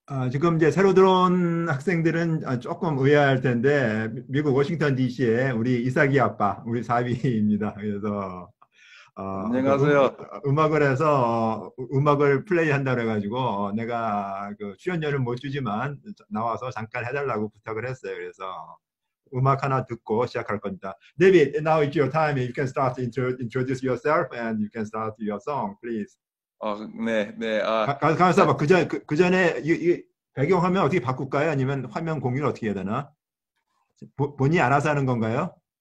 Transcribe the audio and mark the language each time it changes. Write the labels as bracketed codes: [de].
[ko] 지금 이제 새로 들어온 학생들은 조금 의아할 텐데, 미국 워싱턴 DC에 우리 이삭이 아빠, 우리 사위입니다. 그래서, 안녕하세요. 음악을 해서 음악을 플레이 한다고 해가지고, 내가 그 출연료는 못 주지만 나와서 잠깐 해달라고 부탁을 했어요. 그래서 음악 하나 듣고 시작할 겁니다. [en] David, now it's your time. You can start to introduce yourself and you can start your song, please. [ko] 네. 가만있어봐. 그 전에 이 배경화면 어떻게 바꿀까요? 아니면 화면 공유를 어떻게 해야 되나? 본인이 알아서 하는 건가요?